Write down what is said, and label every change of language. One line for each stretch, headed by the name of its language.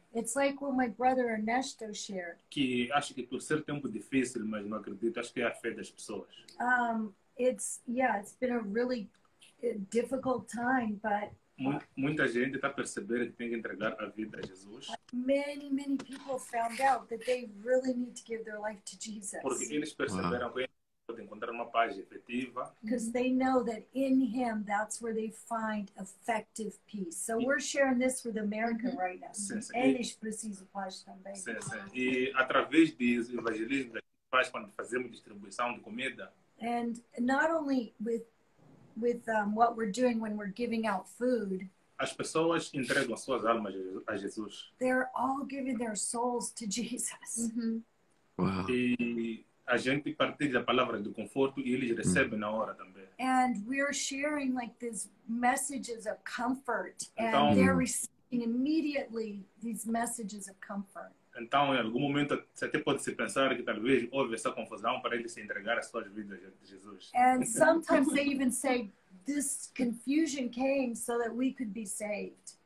English: It's like what my brother Ernesto shared.
Portuguese: Que acho que por ser tempo difícil, mas não acredito, acho que é a fé das pessoas.
English: It's been a really difficult time, but
Portuguese: muita gente está percebendo que tem que entregar a vida a Jesus.
English: Many people found out that they really need to give their life to Jesus.
Portuguese: Porque eles perceberam que pode encontrar uma paz efetiva.
English: Because they know that in him, that's where they find effective peace. So we're sharing this with America right now.
Portuguese: Eles precisam paz também. Sim. E através disso, o evangelismo da paz, quando fazemos distribuição de comida.
English: And not only with what we're doing when we're giving out food.
Portuguese: As pessoas entregam suas almas a Jesus.
English: They're all giving their souls to Jesus. Wow.
Portuguese: E a gente partilha palavras de conforto e eles recebem na hora também.
English: And we're sharing like these messages of comfort. Então, and they're receiving immediately these messages of comfort.
Portuguese: Então, em algum momento, você até pode se pensar que talvez houve essa confusão para eles se entregar as suas vidas a Jesus.
English: And sometimes they even say, this confusion came so that we could be saved.